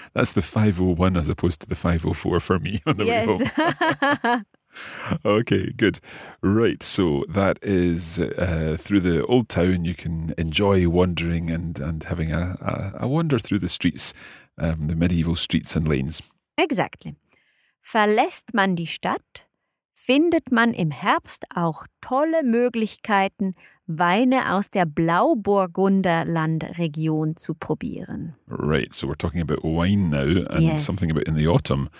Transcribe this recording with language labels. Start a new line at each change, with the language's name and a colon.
English: That's the 501 as opposed to the 504 for me on the way home. Okay, good. Right, so that is through the old town. You can enjoy wandering and having a wander through the streets, the medieval streets and lanes. Exactly.
German: Verlässt man die Stadt, findet man im Herbst auch tolle Möglichkeiten, Weine aus der Blauburgunderlandregion zu probieren.
English: Right, so we're talking about wine now and something about in the autumn.